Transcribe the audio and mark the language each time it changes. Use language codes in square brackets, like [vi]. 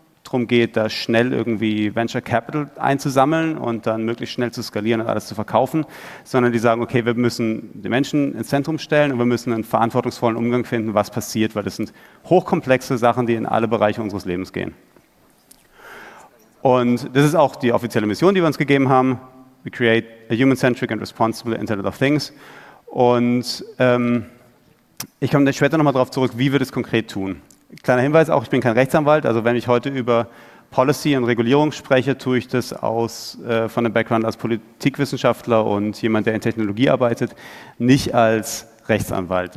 [de] darum geht, da schnell irgendwie Venture Capital einzusammeln und dann möglichst schnell zu skalieren und alles zu verkaufen, sondern die sagen, okay, wir müssen die Menschen ins Zentrum stellen und wir müssen einen verantwortungsvollen Umgang finden, was passiert, weil das sind hochkomplexe Sachen, die in alle Bereiche unseres Lebens gehen. Und das ist auch die offizielle Mission, die wir uns gegeben haben. [en] We create a human-centric and responsible Internet of Things. [de] Und ich komme später nochmal darauf zurück, wie wir das konkret tun. Kleiner Hinweis auch, ich bin kein Rechtsanwalt, also wenn ich heute über Policy und Regulierung spreche, tue ich das von dem Background als Politikwissenschaftler und jemand, der in Technologie arbeitet, nicht als Rechtsanwalt.